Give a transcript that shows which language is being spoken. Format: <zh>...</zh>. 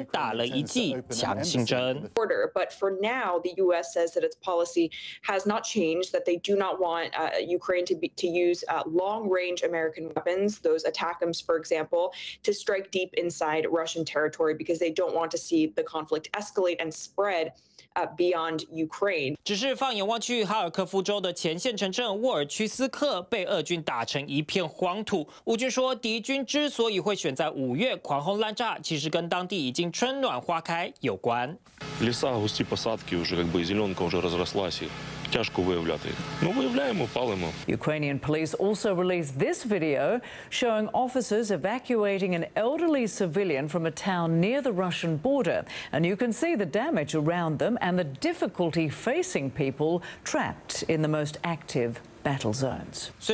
<zh>基辅并未公布这一波攻击使用哪一国提供的武器，但在欧洲多国相继开绿灯，同意让乌克兰用西方武器攻打俄国本土后，就传捷报，无疑是为在前线苦战的乌军打了一剂强心针。</zh> <en>Order, but for now, the U.S. says that its policy has not changed, that they do not want Ukraine to use long-range American weapons, those ATACMS, for example, to strike deep inside Russian territory because they don't want to see the conflict escalate and spread beyond Ukraine.</en> <zh>只是放眼望去，哈尔科夫州的前线城镇沃尔屈斯克被俄军打成一片黄土。乌军说，敌军之所以会选在五月狂轰滥炸，其实跟当地已经春暖花开有关。</zh> <uk>Ліса, густі посадки, вже якби зеленка вже розрослась, тяжко виявляти. Ну, виявляємо, палимо.</uk> <en>Ukrainian police also released this video showing officers evacuating an elderly civilian from a town near the Russian border. And you can see the damage around them and the difficulty facing people trapped in the most active battle zones.</en>